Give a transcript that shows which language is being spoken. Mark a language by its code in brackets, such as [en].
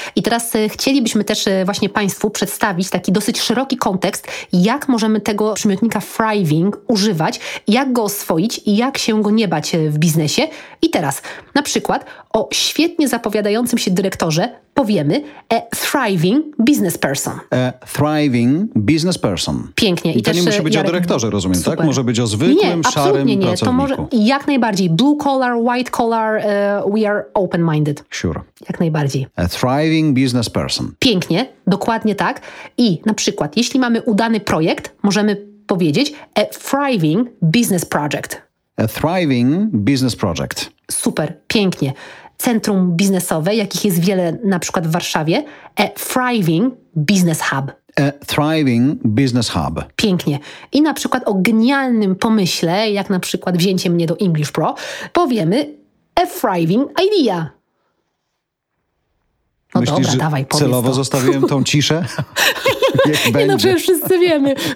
[pl] I teraz chcielibyśmy też właśnie Państwu przedstawić taki dosyć szeroki kontekst, jak możemy tego przymiotnika thriving używać, jak go oswoić i jak się go nie bać w biznesie. I teraz na przykład o świetnie zapowiadającym się dyrektorze powiemy [en] a thriving business person. A thriving business person. [pl] Pięknie. I to nie musi być o dyrektorze, rozumiem, super. Tak? Może być o zwykłym, nie, szarym absolutnie nie. Pracowniku. To może jak najbardziej. [en] Blue collar, white collar, we are open-minded. Sure. [pl] Jak najbardziej. [en] A thriving business person. [pl] Pięknie, dokładnie tak. I na przykład, jeśli mamy udany projekt, możemy powiedzieć [en] a thriving business project. A thriving business project. [pl] Super, pięknie. Centrum biznesowe, jakich jest wiele na przykład w Warszawie. [en] A thriving business hub. A thriving business hub. [pl] Pięknie. I na przykład o genialnym pomyśle, jak na przykład wzięcie mnie do English Pro, powiemy [en] a thriving idea. [pl] No myślisz, dobra, dawaj, powiedz celowo to. Zostawiłem tą ciszę? Nie, no przecież wszyscy wiemy.